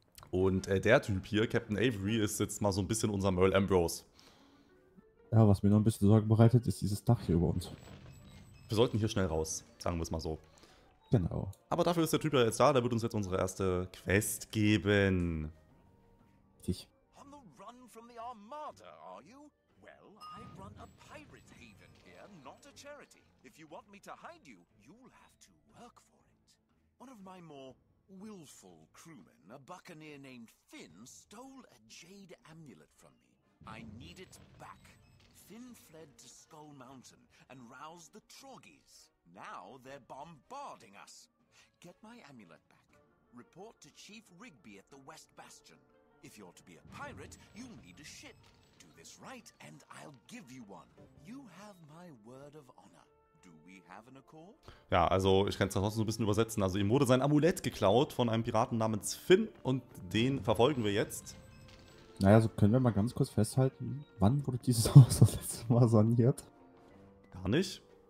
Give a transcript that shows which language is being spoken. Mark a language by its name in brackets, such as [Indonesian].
[German] Und der Typ hier, Captain Avery, ist jetzt mal so ein bisschen unser Merle Ambrose. Ja, was mir noch ein bisschen Sorgen bereitet, ist dieses Dach hier über uns. Wir sollten hier schnell raus, sagen wir es mal so. Genau. Aber dafür ist der Typ ja jetzt da, der wird uns jetzt unsere erste Quest geben. Ich. [English] On the run from the Armada, are you? Well, I run a pirate haven here, not a charity. If you want me to hide you, you'll have to work for it. One of my more willful crewmen, a buccaneer named Finn, stole a jade amulet from me. I need it back. Finn fled to Skull Mountain and roused the Trogies. Now they're bombarding us. Get my amulet back. Report to Chief Rigby at the West Bastion. If you're to be a pirate, you'll need a ship. Do this right and I'll give you one. You have my word of honor. Do we have an accord? [German] Ja, also ich kann es trotzdem so ein bisschen übersetzen. Also ihm wurde sein Amulett geklaut von einem Piraten namens Finn und den verfolgen wir jetzt. Naja, so können wir mal ganz kurz festhalten, wann wurde dieses Haus das letzte Mal saniert? Gar nicht.